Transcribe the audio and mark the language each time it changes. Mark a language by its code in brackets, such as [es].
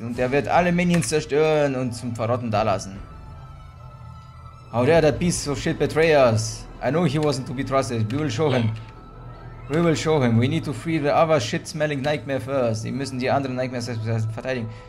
[de] Und er wird alle Minions zerstören und zum Verrotten dalassen. [en] How dare that piece of shit betray us? I know he wasn't to be trusted. We will show him. We will show him. We need to free the other shit-smelling nightmare first. [de] Wir müssen die anderen Nightmares verteidigen.